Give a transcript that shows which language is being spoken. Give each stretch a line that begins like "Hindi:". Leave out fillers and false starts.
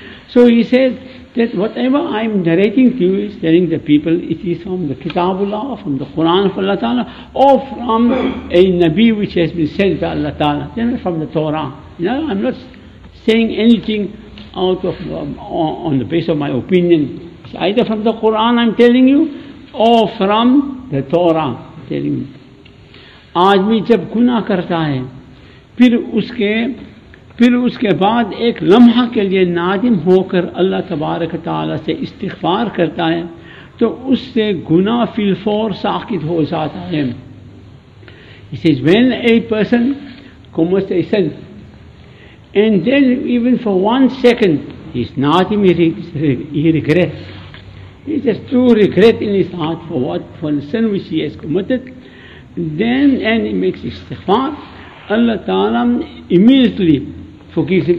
English: So he said that whatever I'm narrating to you is telling the people it is from the Kitabullah, from the Quran of Allah Ta'ala, or from a Nabi which has been sent by Allah Ta'ala, then from the Torah. You know, I'm not saying anything out of on the basis of my opinion. It's either from the Quran I'm telling you, or from the Torah telling you.
Urdu: آدمی جب گناہ کرتا ہے پھر اس کے بعد ایک لمحہ کے لیے نادم ہو کر اللہ تبارک تعالیٰ سے استغفار کرتا ہے تو اس سے گناہ فی الفور ساقط ہو جاتا ہے.
English: He says when a person commits a sin and then even for one second he's nadim, he regrets. He has true regret in his heart for the sin which he has committed. Then and he makes istighfar, Allah Ta'ala immediately forgives him.